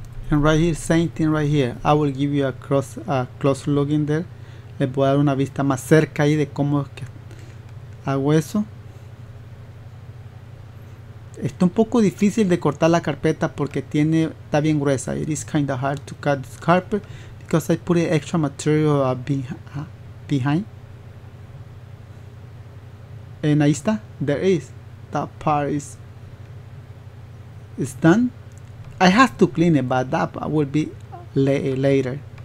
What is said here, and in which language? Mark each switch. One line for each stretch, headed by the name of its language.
English: And right here, same thing right here. I will give you a close look in there.
Spanish: Les voy a dar una vista más cerca ahí de cómo es que hago eso. Está un poco difícil de cortar la carpeta porque está bien gruesa.
English: It is kind of hard to cut this carpet because I put extra material behind. And
Spanish: ahí está.
English: There is. That part is done. I have to clean it, but that will be later.